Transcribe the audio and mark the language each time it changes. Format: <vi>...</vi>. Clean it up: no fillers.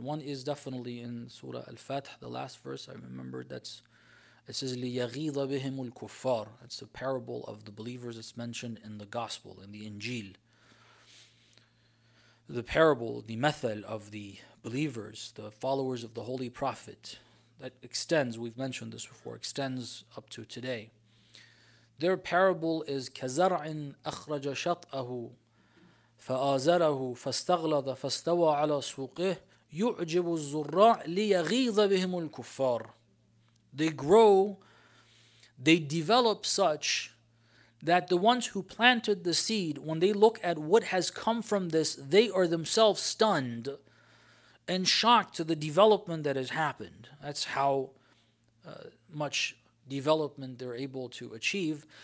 <en>One is definitely in Surah Al-Fath, the last verse. I remember that's, it says</en> <ar>لِيَغِيظَ بِهِمُ الْكُفَّارِ.</ar> <en>It's a parable of the believers. It's mentioned in the Gospel, in the Injil. The parable, the method of the believers, the followers of the Holy Prophet, that extends, we've mentioned this before, extends up to today. Their parable is</en> <ar>كَزَرْعٍ أَخْرَجَ شَطْأَهُ فَآزَرَهُ فَاسْتَغْلَظَ فَاسْتَوَى عَلَى سُوقِهِ يُعْجِبُ الزُّرَّاعِ لِيَغِيظَ بِهِمُ الْكُفَّارِ.</ar> <en>They grow, they develop such that the ones who planted the seed, when they look at what has come from this, they are themselves stunned and shocked to the development that has happened. That's how much development they're able to achieve.</en>